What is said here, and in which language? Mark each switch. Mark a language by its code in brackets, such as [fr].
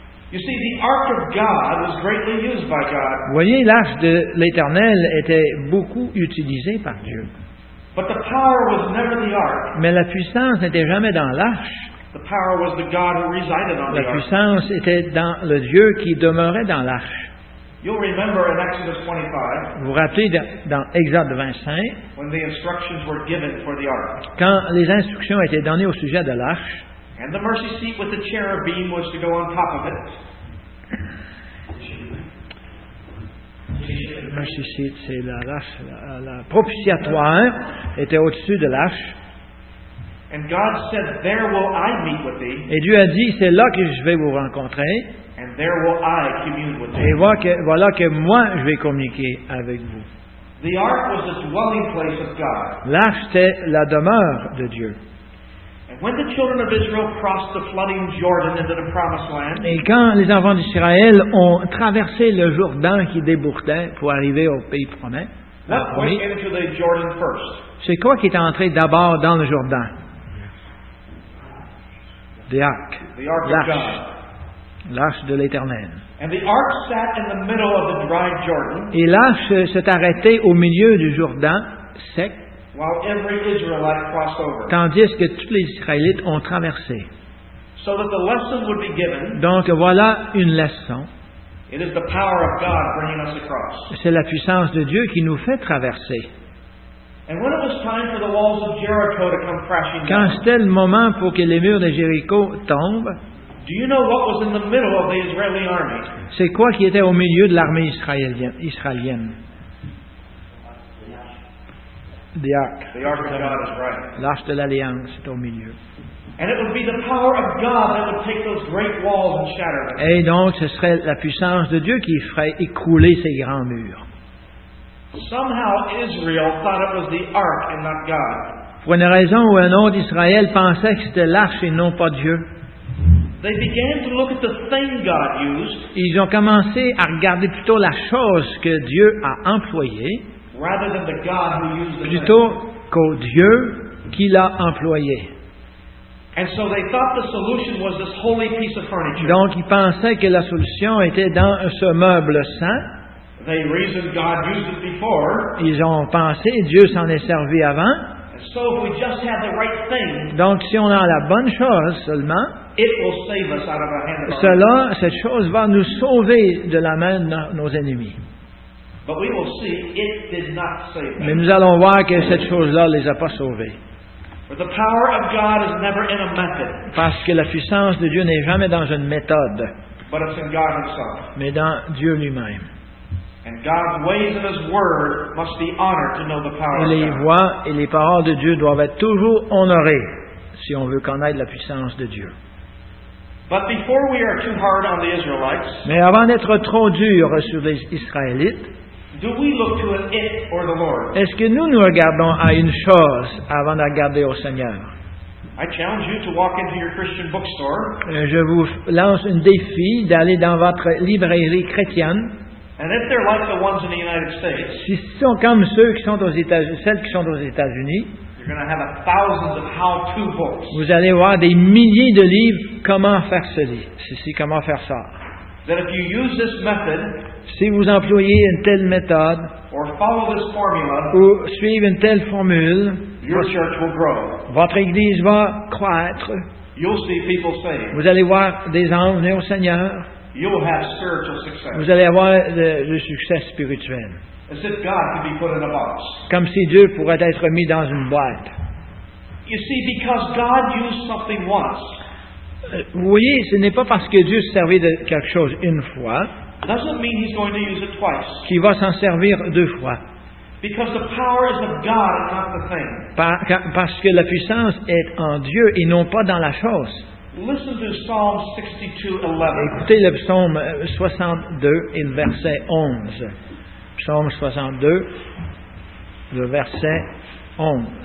[en] You see, the ark of God was greatly used by God. [fr] Vous voyez, l'arche de l'Éternel était beaucoup utilisée par Dieu. [en] But the power was never the ark. [fr] Mais la puissance n'était jamais dans l'arche. [en] The power was the God who resided on [fr] la [en] the [fr] puissance [en] ark. [fr] Était dans le Dieu qui demeurait dans l'arche. [en] You'll remember in Exodus 25, [fr] vous vous rappelez dans Exode 25, [en] when the instructions were given for the ark. [fr] Quand les instructions étaient données au sujet de l'arche, [en] and the mercy seat with the cherubim was to go on top of it. [fr] Mercy seat, c'est l'arche, la propitiatoire était au-dessus de l'arche. [en] And God said, "There will I meet with thee." [fr] Et Dieu a dit, c'est là que je vais vous rencontrer. [en] And there will I commune with thee. [fr] Et voilà que moi je vais communiquer avec vous. [en] The ark was the dwelling place of God. [fr] L'arche était la demeure de Dieu. [en] And when the children of Israel crossed the flooding Jordan into the promised land, [fr] et quand les enfants d'Israël ont traversé le Jourdain qui débordait pour arriver au pays promis, [en] what went into the Jordan first? [fr] C'est quoi qui est entré d'abord dans le Jourdain? [en] The ark. The ark of God. [fr] L'arche de l'Éternel. [en] And the ark sat in the middle of the dry Jordan. [fr] Et l'arche s'est arrêtée au milieu du Jourdain sec. [en] While every Israelite crossed over. [fr] Tandis que tous les Israélites ont traversé. [en] So that the lesson would be given. [fr] Donc voilà une leçon. [en] It is the power of God bringing us across. [fr] C'est la puissance de Dieu qui nous fait traverser. [en] And when it was time for the walls of Jericho to come crashing down. [fr] Quand c'était le moment pour que les murs de Jéricho tombent. [en] Do you know what was in the middle of the Israeli army? [fr] C'est quoi qui était au milieu de l'armée israélienne? [en] The ark. The ark of God is right. [fr] L'arche de l'alliance est au milieu. [en] And it would be the power of God that would take those great walls and shatter them. [fr] Et donc ce serait la puissance de Dieu qui ferait écrouler ces grands murs. [en] Somehow Israel thought it was the ark and not God. [fr] Pour une raison ou un autre, Israël pensait que c'était l'arche et non pas Dieu. [en] They began to look at the thing God used. [fr] Ils ont commencé à regarder plutôt la chose que Dieu a employée, [en] rather than the God who used the [fr] plutôt qu'au Dieu qui l'a employé. [en] And so they thought the solution was this holy piece of furniture. [fr] Donc ils pensaient que la solution était dans ce meuble saint. [en] They reasoned God used it before. [fr] Ils ont pensé Dieu s'en est servi avant. [en] So if we just have the right thing, [fr] donc si on a la bonne chose seulement, [en] it will save us out of our hand. [fr] Cela, cette chose va nous sauver de la main de nos ennemis. [en] But we will see it did not save them. [fr] Mais nous allons voir que cette chose-là ne les a pas sauvés. [en] But the power of God is never in a method. [fr] Parce que la puissance de Dieu n'est jamais dans une méthode. [en] But it's in God himself. [fr] Mais dans Dieu lui-même. [en] And God's ways and His word must be honored to know the power of God. [fr] Les voies et les paroles de Dieu doivent être toujours honorées si on veut connaître la puissance de Dieu. [en] But before we are too hard on the Israelites, [fr] mais avant d'être trop dur sur les Israélites, [en] do we look to an it or the Lord? [fr] Est-ce que nous regardons à une chose avant de regarder au Seigneur? [en] I challenge you to walk into your Christian bookstore. [fr] Je vous lance un défi d'aller dans votre librairie chrétienne. [en] And if they're like the ones in the United States, [fr] si ce sont comme ceux qui sont aux États-Unis, celles qui sont aux États-Unis, [en] you're going to have thousands of how-to books. [fr] Vous allez voir des milliers de livres comment faire ceci, comment faire ça. [en] That if you use this method, [fr] si vous employez une telle méthode, [en] or follow this formula, [fr] ou suivez une telle formule, [en] your church will grow. [fr] Votre église va croître. [en] You'll see people saved. [fr] Vous allez voir des gens venir au Seigneur. [en] You will have spiritual success. [fr] Vous allez avoir le succès spirituel. [en] As if God could be put in a box. [fr] Comme si Dieu pourrait être mis dans une boîte. [en] You see, because God used something once. [fr] Vous voyez, ce n'est pas parce que Dieu se servit de quelque chose une fois. [en] Doesn't mean he's going to use it twice. [fr] Qu'il va s'en servir deux fois. [en] Because the power is of God, not the thing. [fr] Parce que la puissance est en Dieu et non pas dans la chose. [en] Listen to Psalm 62:11. [fr] Écoutez le psaume 62 et le verset 11. Psaume 62, le verset 11.